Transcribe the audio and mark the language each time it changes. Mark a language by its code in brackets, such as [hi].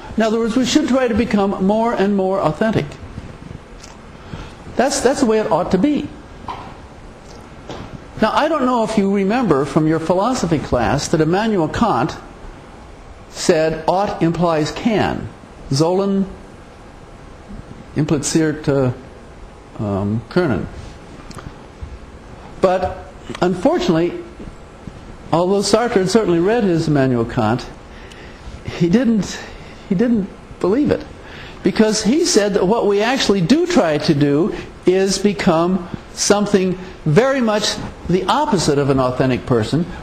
[en] In other words, we should try to become more and more authentic. That's the way it ought to be. Now, I don't know if you remember from your philosophy class that Immanuel Kant said, ought implies can. [de] Sollen impliziert können. [en] But, unfortunately, although Sartre had certainly read his Immanuel Kant, he didn't believe it. Because he said that what we actually do try to do is become something very much the opposite of an authentic person.